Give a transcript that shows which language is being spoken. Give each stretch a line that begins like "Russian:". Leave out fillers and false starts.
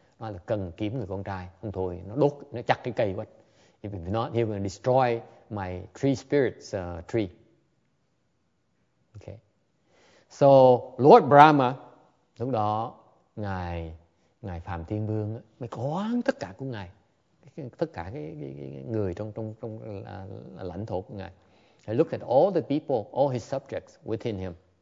Vietnamese: Nói là cần kiếm người con trai. Không thôi, nó đốt, nó chặt cái cây quá.
English: If not, he will destroy my tree spirits tree. Okay. So Lord Brahma,
Vietnamese: lúc đó ngài Phạm Thiên Vương mới quán tất cả của ngài, tất cả cái người trong lãnh thổ của ngài.
English: He looked at all the people, all his subjects within him.